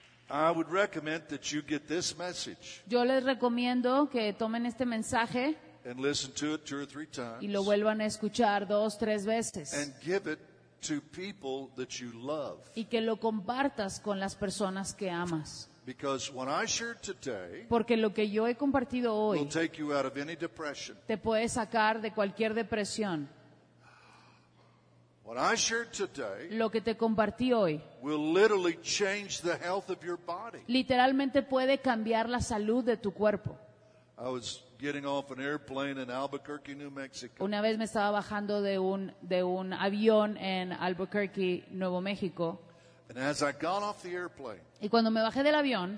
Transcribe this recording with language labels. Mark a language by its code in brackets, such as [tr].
[en] I would recommend that you get this message. [es] Yo les recomiendo que tomen este mensaje. [en] And listen to it two or three times. [es] Y lo vuelvan a escuchar dos, tres veces. [en] And give it to people that you love. [es] Y que lo compartas con las personas que amas. [en] Because what I shared today, [es] porque lo que yo he compartido hoy, [en] will take you out of any depression. [es] Te puede sacar de cualquier depresión. [en] What I shared today, [es] lo que te compartí hoy, [en] will literally change the health of your body. [es] Literalmente puede cambiar la salud de tu cuerpo. [en] I was getting off an airplane in Albuquerque, New Mexico. [es] Una vez me estaba bajando de un avión en Albuquerque, Nuevo México. [en] And as I got off the airplane, [es] y cuando me bajé del avión,